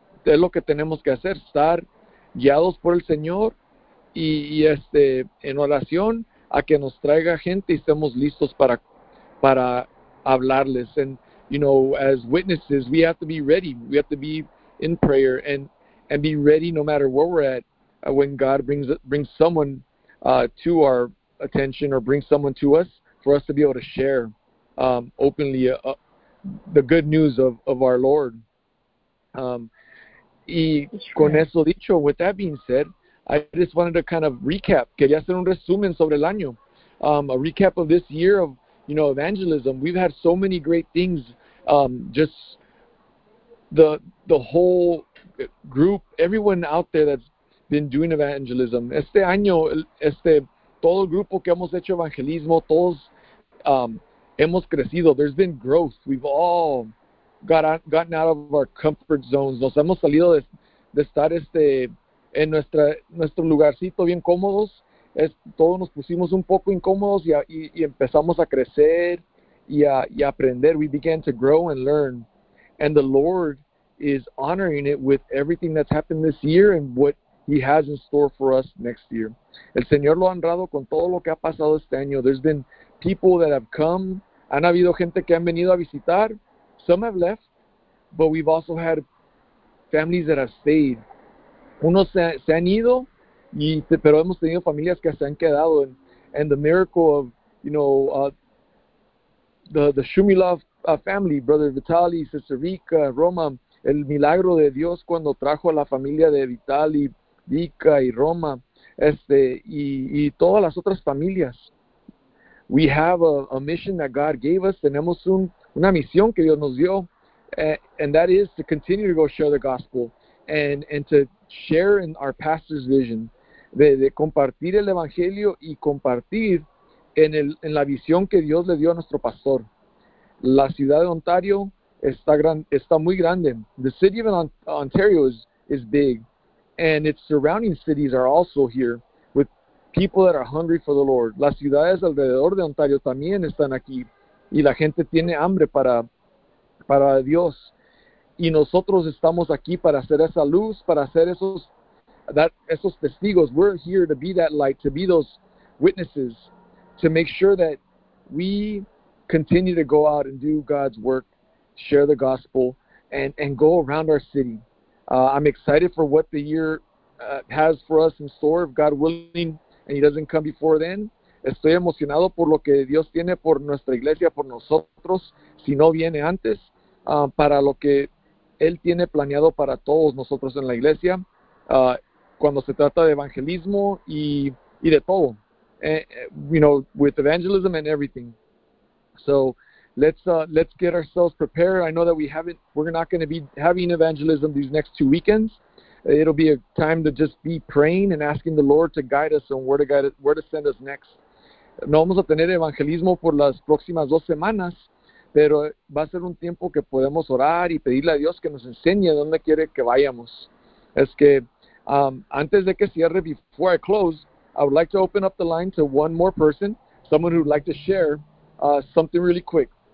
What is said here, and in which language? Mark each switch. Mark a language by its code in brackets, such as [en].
[es] Es lo que tenemos que hacer, estar guiados por el Señor y en oración a que nos traiga gente y estemos listos para hablarles. [en] And, you know, as witnesses, we have to be ready. We have to be in prayer and be ready no matter where we're at when God brings someone to our attention or brings someone to us for us to be able to share openly the good news of our Lord. [es] Y con eso dicho, [en] with that being said, I just wanted to kind of recap. [es] Quería hacer un resumen sobre el año. [en] A recap of this year of, you know, evangelism. We've had so many great things, just the whole group, everyone out there that's been doing evangelism. [es] Este año, todo el grupo que hemos hecho evangelismo, todos hemos crecido. [en] There's been growth. We've all gotten out of our comfort zones. [es] Nos hemos salido de estar en nuestro lugarcito bien cómodos. Todos nos pusimos un poco incómodos y empezamos a crecer y aprender. [en] We began to grow and learn. And the Lord is honoring it with everything that's happened this year and what He has in store for us next year. [es] El Señor lo ha honrado con todo lo que ha pasado este año. [en] There's been people that have come. [es] Han habido gente que han venido a visitar. [en] Some have left, but we've also had families that have stayed. [es] Unos se han ido, pero hemos tenido familias que se han quedado. [en] And the miracle of, you know, the Shumilov family, Brother Vitali, Sister Rica, [es] Roma, el milagro de Dios cuando trajo a la familia de Vitali, Vika y Roma, y todas las otras familias. [en] We have a mission that God gave us. [es] Tenemos una misión que Dios nos dio, [en] and that is to continue to go share the gospel and to share in our pastor's vision, [es] de compartir el evangelio y compartir en la visión que Dios le dio a nuestro pastor. La ciudad de Ontario está muy grande. [en] The city of Ontario is big. And its surrounding cities are also here with people that are hungry for the Lord. [es] Las ciudades alrededor de Ontario también están aquí. Y la gente tiene hambre para Dios. Y nosotros estamos aquí para hacer esa luz, para hacer esos testigos. [en] We're here to be that light, to be those witnesses, to make sure that we continue to go out and do God's work, share the gospel, and go around our city. I'm excited for what the year has for us in store, if God willing, and He doesn't come before then. [es] Estoy emocionado por lo que Dios tiene por nuestra iglesia, por nosotros, si no viene antes, para lo que Él tiene planeado para todos nosotros en la iglesia, cuando se trata de evangelismo y de todo, [en] you know, with evangelism and everything. So let's get ourselves prepared. I know that we're not going to be having evangelism these next 2 weekends. It'll be a time to just be praying and asking the Lord to guide us on where to send us next. [es] No vamos a tener evangelismo por las próximas 2 semanas, pero va a ser un tiempo que podemos orar y pedirle a Dios que nos enseñe dónde quiere que vayamos. Es que antes de que cierre, [en] before I close, I would like to open up the line to one more person, someone who would like to share something really quick.